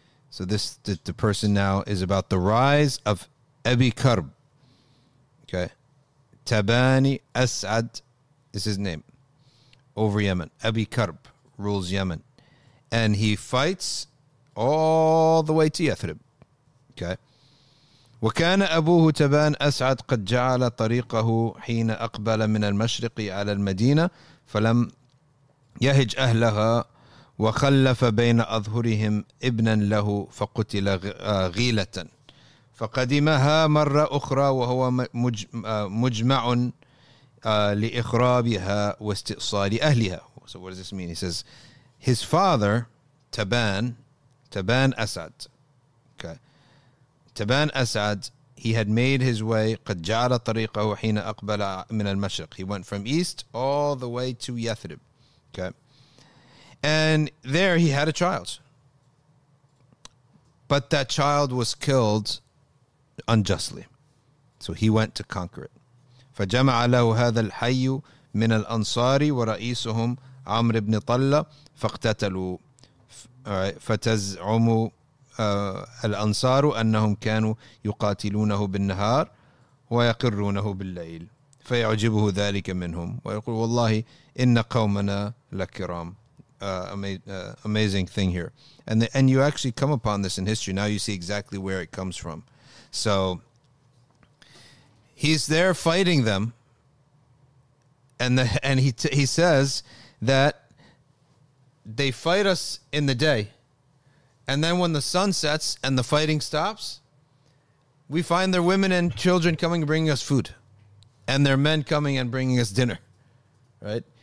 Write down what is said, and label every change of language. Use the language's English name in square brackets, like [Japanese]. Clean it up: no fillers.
[English] So this the person now is about the rise of Abi Karb. Okay. Tabani As'ad is his name. Over Yemen, Abi Karb rules Yemen, and he fights all the way to Yathrib. Okay. [Arabic] وكان أبوه تبان أسعد قد جعل طريقه حين أقبل من المشرق على المدينة فلم يهج أهلها وخلف بين أظهرهم ابنا له فقتل غيلة فقدمها مرة أخرى وهو مجمع لإخرابها واستئصال أهلها. [English] So what does this mean? He says, his father, Taban Asad. Okay. Taban Asad, he had made his way, [Arabic] قَدْ جَعَلَ طَرِيقَهُ حِينَ أَقْبَلَ مِنَ الْمَشْرِقِ. [English] He went from east all the way to Yathrib. Okay. And there he had a child. But that child was killed unjustly. So he went to conquer it. [Arabic] فَجَمَعَ لَهُ هَذَا الْحَيُّ مِنَ الْأَنصَارِ وَرَئِيسُهُمْ عمر بن طلة فاقتتلوا فتزعم الأنصار أنهم كانوا يقاتلونه بالنهار ويقرونه بالليل فيعجبه ذلك منهم ويقول والله إن قومنا لكرام. [English] Amazing thing here. And you actually come upon this in history. Now you see exactly where it comes from. So he's there fighting them, and he says that they fight us in the day, and then when the sun sets and the fighting stops, we find their women and children coming and bringing us food, and their men coming and bringing us dinner, right?